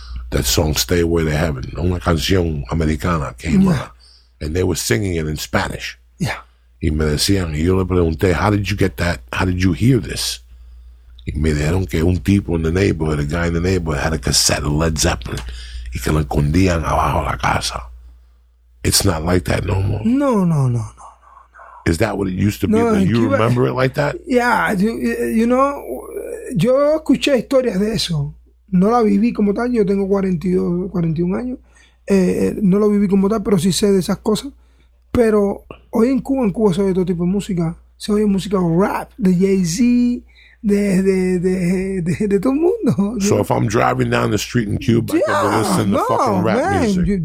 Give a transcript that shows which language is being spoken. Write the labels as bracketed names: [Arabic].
[English] That song, Stay Away to Heaven, Una Canción Americana came on. And they were singing it in Spanish. Yeah. [Spanish] Y me decían, y yo le pregunté, [English] how did you get that? How did you hear this? [Spanish] Y me dijeron que un tipo [English] in the neighborhood, a guy in the neighborhood, had a cassette of Led Zeppelin. [Spanish] Y que lo escondían abajo de la casa. [English] It's not like that no more. No. Is that what it used to be? No, do you Cuba, remember it like that? Yeah, you know, [Spanish] yo escuché historias de eso. No la viví como tal, yo tengo 42, 41 años. No lo viví como tal, pero sí sé de esas cosas. Pero hoy en Cuba se oye todo tipo de música. Se oye música rap, de Jay-Z, de todo el mundo. [English] So if I'm driving down the street in Cuba, yeah, I can listen to fucking rap music.